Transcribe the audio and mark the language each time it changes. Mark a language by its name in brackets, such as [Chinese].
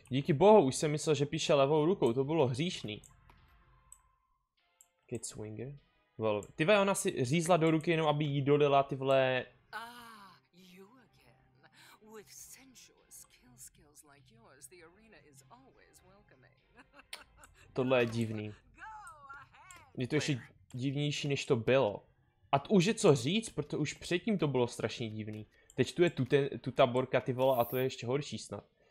[Czech] Díky bohu, už jsem myslel, že píše levou rukou, to bylo hříšný. Kid Swinger. Well, ty vole, ona si řízla do ruky jenom, aby jí dolila ty vole. [English] You again. With sensuous kill skills like yours, the arena is always welcoming. [Czech] Tohle je divný. Je to ještě divnější, než to bylo. A to už je co říct, protože už předtím to bylo strašně divný. Teď tu je tuta borka ty vole a to je ještě horší snad.